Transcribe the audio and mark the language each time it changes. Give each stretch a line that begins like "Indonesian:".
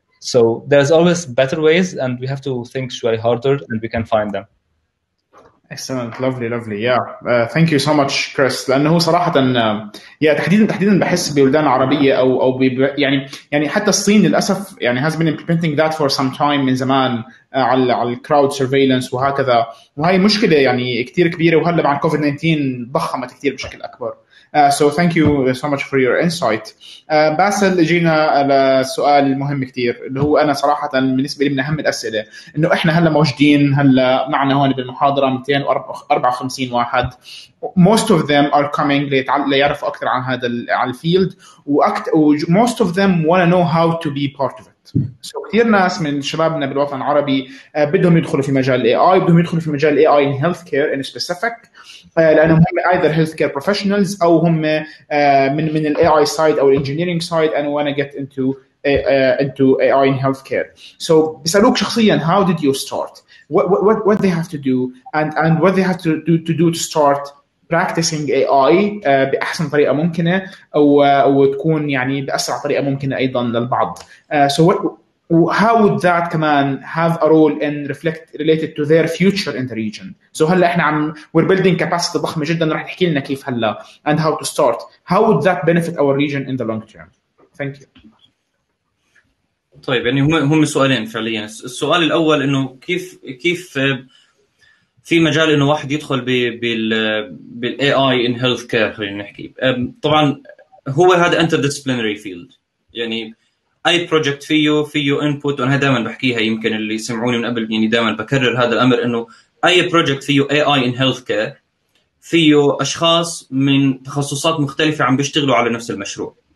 English: So there's always better ways and we have to think
Arabic: شوي
English: harder and we can find them. Excellent, lovely. Yeah, thank you so much Chris,
Arabic: لانه صراحه yeah, تحديدا بحس ببلدان عربيه او يعني حتى الصين للاسف يعني
English: has been implementing that for some time
Arabic: من زمان على الكراود سيرفيلانس وهكذا, وهي مشكله يعني كثير كبيره وهلا مع كوفيد 19 ضخمت كثير بشكل اكبر.
English: So thank you so much for your insight.
Arabic: باسل, جينا على السؤال المهم كثير اللي هو انا صراحه بالنسبه لي من اهم الاسئله, انه احنا هلا موجودين هلا معنا هون بالمحاضره 254 واحد,
English: most of them are coming
Arabic: ليعرف اكثر عن هذا على الفيلد,
English: most of them want to know how to be part of it.
Arabic: So, كثير ناس من شبابنا بالوطن العربي بدهم يدخلوا في مجال AI, بدهم يدخلوا في مجال AI
English: in healthcare in specific,
Arabic: لأنهم هم
English: either healthcare professionals
Arabic: أو هم من الـ AI side أو الـ
English: engineering side and want to get into AI in healthcare. So,
Arabic: بسألوك شخصياً,
English: how did you start? What they have to do and what they have to do to start practicing AI
Arabic: بأحسن طريقة ممكنة أو تكون يعني بأسرع طريقة ممكنة أيضا للبعض.
English: So how would that كمان have a role in reflect related to their future in the region?
Arabic: So هلا إحنا عم
English: we're building capacity
Arabic: ضخمة جدا, راح تحكي لنا كيف هلا
English: and how to start. How would that benefit our region in the long term? Thank you.
Arabic: طيب يعني هم سؤالين فعليا. السؤال الأول إنه كيف في مجال انه واحد يدخل بالاي اي ان هيلث كير, خلينا نحكي طبعا هو هذا انتر ديسيبلينري فيلد, يعني اي بروجكت فيه انبوت، وانا دائما بحكيها يمكن اللي سمعوني من قبل يعني دائما بكرر هذا الامر، انه اي بروجكت فيه اي اي ان هيلث كير فيه اشخاص من تخصصات مختلفه عم بيشتغلوا على نفس المشروع.